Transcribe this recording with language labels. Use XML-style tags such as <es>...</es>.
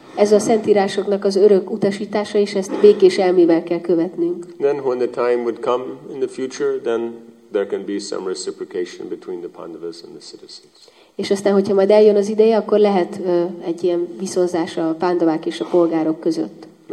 <hu>Ez a szentírásoknak az örök utasítása, és ezt békés elmével kell követnünk.</hu> <en>Then when the time would come in the future, then there can be some reciprocation between the Pandavas and the citizens.</en> <hu>És aztán, hogyha majd eljön az ideje, akkor lehet egy ilyen viszonzás a pándavák és a polgárok között.</hu>